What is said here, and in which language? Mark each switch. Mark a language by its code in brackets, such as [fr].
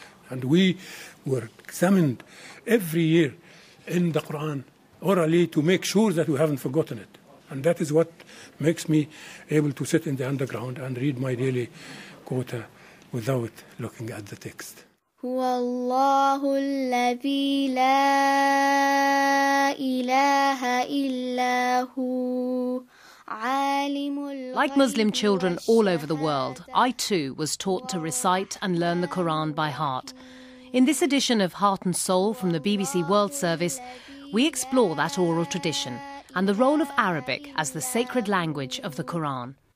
[en] And we were examined every year in the Quran orally to make sure that we haven't forgotten it. And that is what makes me able to sit in the underground and read my daily quota without looking at the text. [ar] هو الله الذي لا إله إلا هو عالم الغيب. [en] Like Muslim children all over the world, I too was taught to recite and learn the Quran by heart. In this edition of Heart and Soul from the BBC World Service, we explore that oral tradition and the role of Arabic as the sacred language of the Quran.